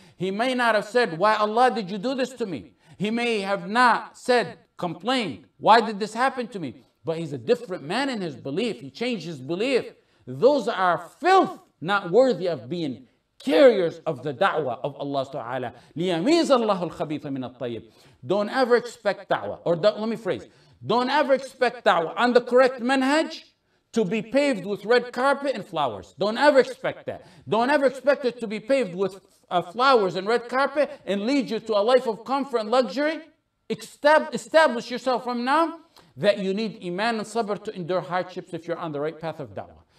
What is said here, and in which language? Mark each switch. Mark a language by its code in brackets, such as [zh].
[en] He may not have said, why Allah did you do this to me? He may have not said, complained, why did this happen to me? But he's a different man in his belief. He changed his belief. Those are filth not worthy of being carriers of the da'wah of Allah Ta'ala. [ar] لِيَمِيزَ اللَّهُ الْخَبِيثَ مِنَ الطَّيِّبِ [en] Don't ever expect da'wah. Let me phrase. Don't ever expect da'wah on the correct manhaj to be paved with red carpet and flowers. Don't ever expect that. Don't ever expect it to be paved with flowers and red carpet and lead you to a life of comfort and luxury. Establish yourself from now that you need iman and sabr to endure hardships if you're on the right path of da'wah.